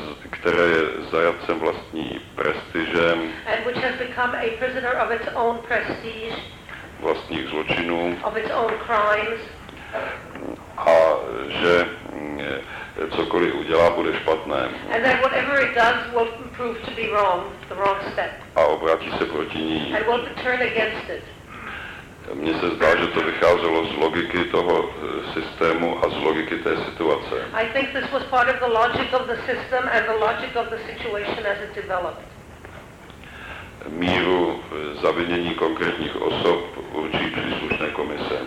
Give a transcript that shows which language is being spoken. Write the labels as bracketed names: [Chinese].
[Czech] které je zajatcem vlastní prestiže, [English] and which has become a prisoner of its own prestige, [Czech] vlastních zločinů, [English] of its own crimes, [Czech] a že cokoliv udělá, bude špatné. [English] And that whatever it does will prove to be wrong, the wrong step. [Czech] A obrátí se proti ní. [English] And will turn against it. [Czech] Mně se zdá, že to vycházelo z logiky toho systému a z logiky té situace. [English] I think this was part of the logic of the system and the logic of the situation as it developed. [Czech] Míru zavinění konkrétních osob určí příslušné komise.